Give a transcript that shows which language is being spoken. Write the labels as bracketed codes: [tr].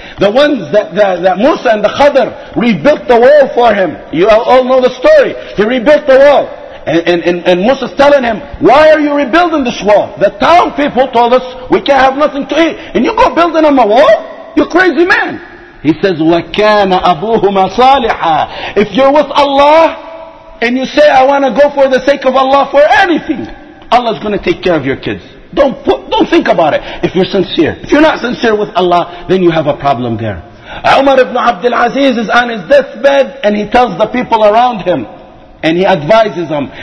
[en] The ones that Musa and the Khadr rebuilt the wall for him. You all know the story. He rebuilt the wall. And Musa's telling him, why are you rebuilding this wall? The town people told us, we can't have nothing to eat. And you go building them a wall? You're crazy man. He says, [ar] وَكَانَ أَبُوهُمَا صَالِحًا. [en] If you're with Allah, and you say, I want to go for the sake of Allah for anything, Allah's going to take care of your kids. Don't put Don't think about it. If you're sincere. If you're not sincere with Allah, then you have a problem there. Umar ibn Abdul Aziz is on his deathbed and he tells the people around him and he advises them.